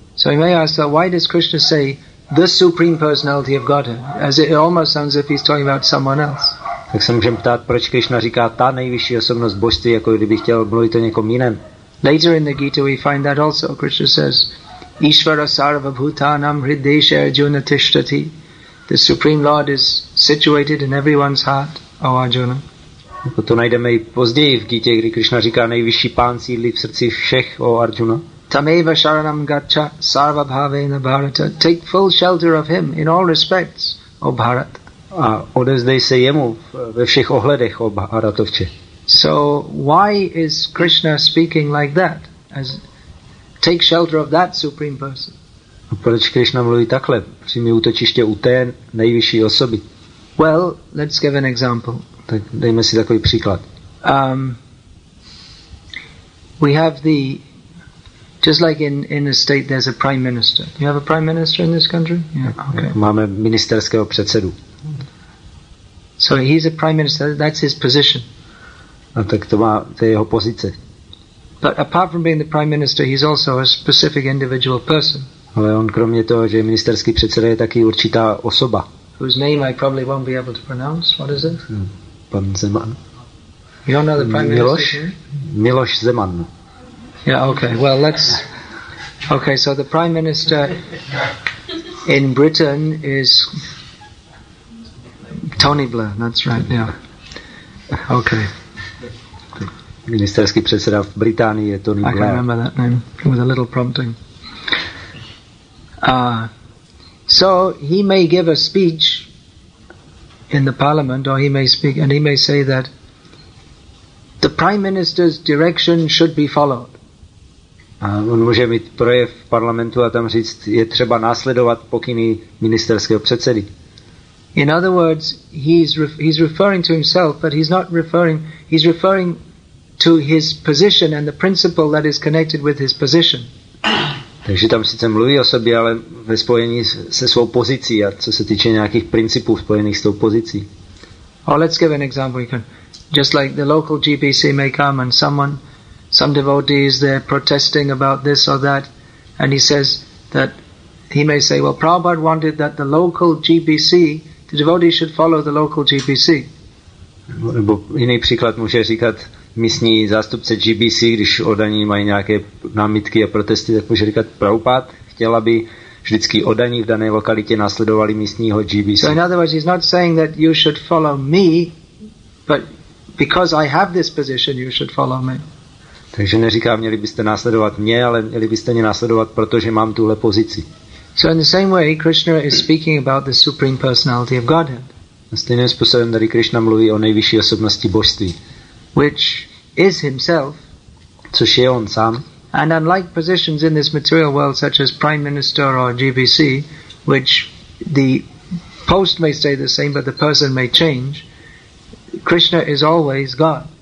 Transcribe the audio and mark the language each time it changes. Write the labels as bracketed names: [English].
[English] So you may ask, why does Krishna say the supreme personality of Godhead, as it almost sounds as if he's talking about someone else. [Czech] Tak se můžeme ptát, proč Krishna říká ta nejvyšší osobnost božství, jako kdyby chtěl mluvit o někom jiném. [English] Later in the Gita we find that also Krishna says [Sanskrit] Ishvara sarva bhutanam hridesha arjuna tishtati. [English] The Supreme Lord is situated in everyone's heart, O Arjuna. [Czech] To najdeme i později v Gítě, kdy Krishna říká nejvyšší pán sídlí v srdci všech, O Arjuna. [Sanskrit] Tameva sharanam gacha sarva bhavena Bharata. [English] Take full shelter of him in all respects, O Bharat. [Czech] A odevzdej se jemu ve všech ohledech, O Bharatovče. [English] So why is Krishna speaking like that? As take shelter of that supreme person. [Czech] A proč Krishna mluví takhle? Přijmi útočiště u té nejvyšší osoby. [English] Well, let's give an example. [Czech] Tak dejme si takový příklad. [English] We have the just like in a state there's a prime minister. You have a prime minister in this country? Yeah, okay. [Czech] Máme ministerského předsedu. [English] So he's a prime minister, that's his position. [Czech] A tak to má, to je jeho pozice. [English] But apart from being the prime minister, he's also a specific individual person. [Czech] Ale on kromě toho, že je ministerský předseda, je taky určitá osoba. [English] Whose name I probably won't be able to pronounce. What is it? [Czech] Pan Zeman. [English] You don't know the prime Miloš? Minister? Miloš Zeman. Yeah, okay. Well, let's... Okay, so the prime minister in Britain is Tony Blair. That's right, yeah. Okay. [Czech] Ministerský předseda v Británii je Tony Blair. [English] I can remember that name with a little prompting. So he may give a speech in the parliament, or he may speak and he may say that the prime minister's direction should be followed. [Czech] A on může mít projev v parlamentu a tam říct, je třeba následovat pokyny ministerského předsedy. [English] In other words, he's referring to himself, but he's referring to his position and the principle that is connected with his position. [Czech] Takže tam sice mluví o sobě, ale ve spojení se svou pozicí a co se týče nějakých principů spojených s tou pozicí. [English] Or let's give an example. You can, just like the local GBC may come and someone, some devotee is there protesting about this or that, and he says that he may say, well, Prabhupada wanted that the local GBC, the devotee should follow the local GBC. [Czech] Nebo jiný příklad může říkat, místní zástupce GBC, když oddaní mají nějaké námitky a protesty, tak může říkat Prabhupád chtěla by vždycky oddaní v dané lokalitě následovali místního GBC. [English] So in other words, he's not saying that you should follow me, but because I have this position, you should follow me. [Czech] Takže neříká, měli byste následovat mě, ale měli byste mě následovat, protože mám tuhle pozici. [English] So in the same way, Krishna is speaking about the supreme personality of Godhead. [Czech] A stejným způsobem tady Krishna mluví o nejvyšší osobnosti božství. [English] Which is himself. [Czech] Což je on sám. [English] And unlike positions in this material world, such as prime minister or GBC, which the post may stay the same, but the person may change, Krishna is always God.